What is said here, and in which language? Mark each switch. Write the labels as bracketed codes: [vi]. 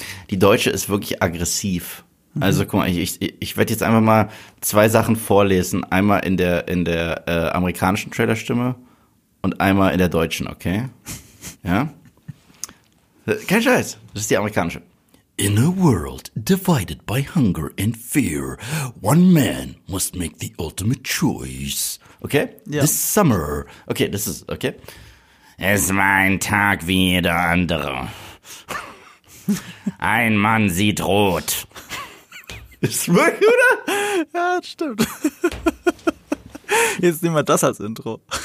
[de] Die deutsche ist wirklich aggressiv. Also guck mal, ich werde jetzt einfach mal 2 Sachen vorlesen. Einmal in der amerikanischen Trailerstimme und einmal in der deutschen, okay? Ja? Kein Scheiß, das ist die amerikanische. [en] In a world divided by hunger and fear, one man must make the ultimate choice. Okay? [de] Ja. [en] This summer. [de] Okay, das ist, okay. Es war ein Tag wie jeder andere. Ein Mann sieht rot. Ist wirklich, oder? Ja, das stimmt. Jetzt nehmen wir das als Intro.